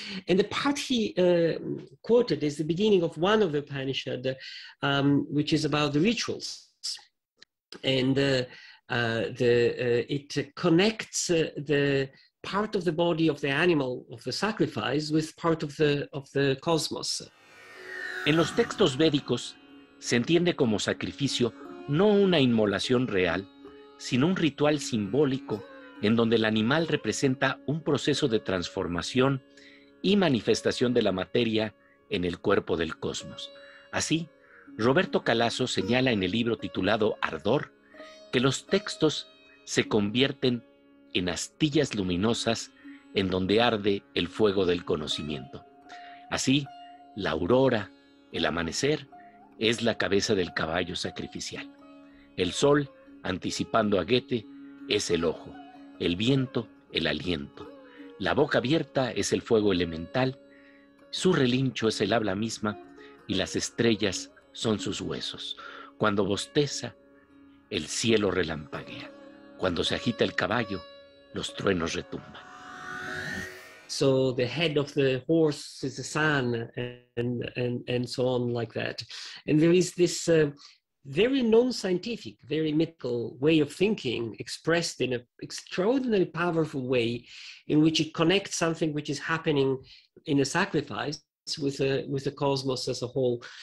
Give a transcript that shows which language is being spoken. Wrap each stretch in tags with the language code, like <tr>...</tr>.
<en>And the part he quoted is the beginning of one of the Upanishad, which is about the rituals. And it connects the part of the body of the animal of the sacrifice with part of the cosmos.</en> <es>En los textos védicos se entiende como sacrificio no una inmolación real, sino un ritual simbólico en donde el animal representa un proceso de transformación y manifestación de la materia en el cuerpo del cosmos. Así, Roberto Calasso señala en el libro titulado Ardor que los textos se convierten en astillas luminosas en donde arde el fuego del conocimiento. Así, la aurora, el amanecer, es la cabeza del caballo sacrificial. El sol, anticipando a Goethe, es el ojo. El viento, el aliento. La boca abierta es el fuego elemental. Su relincho es el habla misma y las estrellas son sus huesos. Cuando bosteza, el cielo relampaguea. Cuando se agita el caballo, los truenos retumban.</es> <en>So the head of the horse is the sun, and so on like that. And there is this very non-scientific, very mythical way of thinking expressed in an extraordinarily powerful way in which it connects something which is happening in a sacrifice with the cosmos as a whole.</en>